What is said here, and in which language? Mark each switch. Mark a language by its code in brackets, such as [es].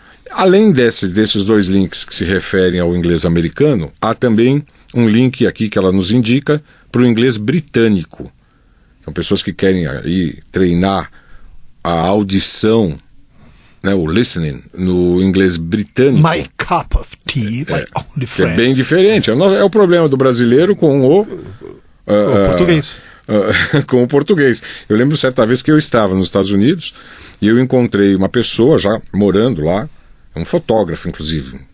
[pt] Além desses dois links que se referem ao inglês americano, há também um link aqui que ela nos indica para o inglês britânico. Então, pessoas que querem aí treinar a audição, né, o listening, no inglês britânico. [en] My cup of tea, my only friend. [pt] É bem diferente. É o problema do brasileiro com o português. Com o português. Eu lembro certa vez que eu estava nos Estados Unidos e eu encontrei uma pessoa já morando lá, um fotógrafo, inclusive,